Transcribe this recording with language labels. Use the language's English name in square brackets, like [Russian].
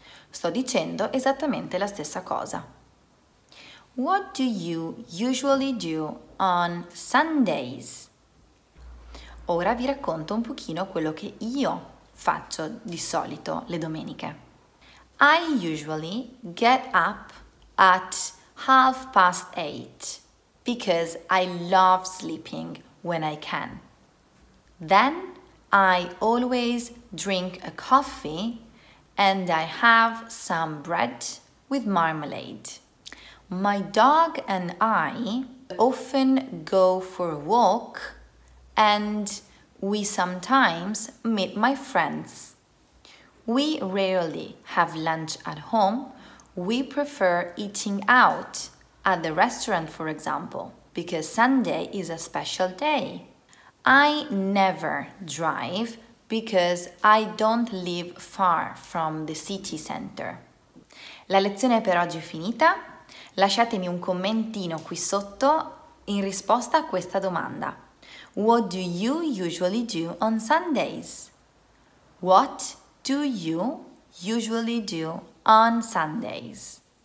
[Italian] Sto dicendo esattamente la stessa cosa. [English] What do you usually do on Sundays? [Italian] Ora vi racconto un pochino quello che io faccio di solito le domeniche. [English] I usually get up at 8:30 because I love sleeping when I can. Then I always drink a coffee and I have some bread with marmalade. My dog and I often go for a walk and we sometimes meet my friends. We rarely have lunch at home. We prefer eating out at the restaurant, for example, because Sunday is a special day. I never drive because I don't live far from the city center. [Italian] La lezione per oggi è finita. Lasciatemi un commentino qui sotto in risposta a questa domanda. [English] What do you usually do on Sundays? What do you usually do on Sundays?